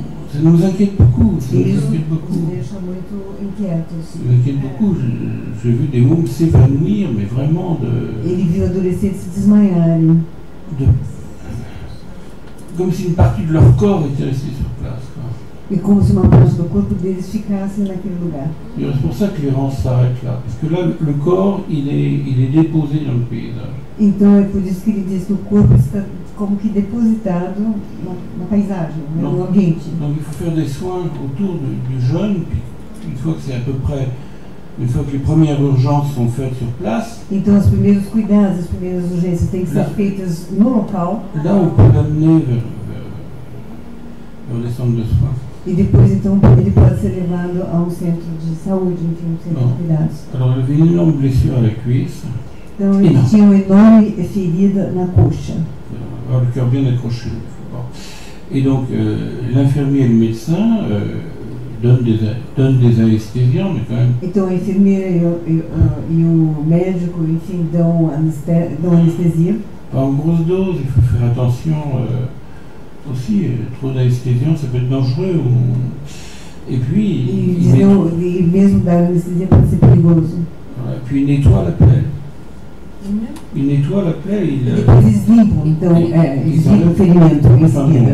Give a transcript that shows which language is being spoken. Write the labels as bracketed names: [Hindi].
[French] Ça nous inquiète beaucoup, [Portuguese] deixa muito inquietos. [French] Ça nous inquiète beaucoup, j'ai vu des mômes s'évanouir, mais vraiment de... [Portuguese] Ele viu adolescentes se desmaiarem. [French] Comme si une partie de leur corps était restée sur place. [Portuguese] E como se uma parte do corpo deles ficasse naquele lugar. E é por isso que [French] l'errance s'arrête là. Parce que là, le corps, il est déposé dans le paysage. [Portuguese] Então é por isso que ele diz que o corpo está como que depositado na paisagem, no ambiente. [French] Donc il faut faire des soins autour du jeune, puis une fois que c'est à peu près. Une fois que les premières urgences sont faites sur place. [Portuguese] Então as primeiras cuidados, as primeiras urgências têm que ser feitas no local. [French] Là, on peut l'amener vers les centres de soins. [Portuguese] E depois, então, ele pode ser levado a um centro de saúde, enfim, um centro de cuidados. [French] Alors, il avait une énorme blessure à la cuisse. [Portuguese] Então, ele tinha uma enorme ferida na coxa. [French] Alors, le cœur bien accroché. Bon. Et donc, l'infirmier et le médecin donnent des anesthésiants, mais quand même. [Portuguese] Então, a enfermeira e o médico, enfim, dão anestesia. [French] Pas en grosse dose, il faut faire attention. Aussi, trop d'anesthésiens, ça peut être dangereux. Et puis, il nettoie la plaie. Il nettoie la plaie. Il est plus libre, donc il se libère du ferimento.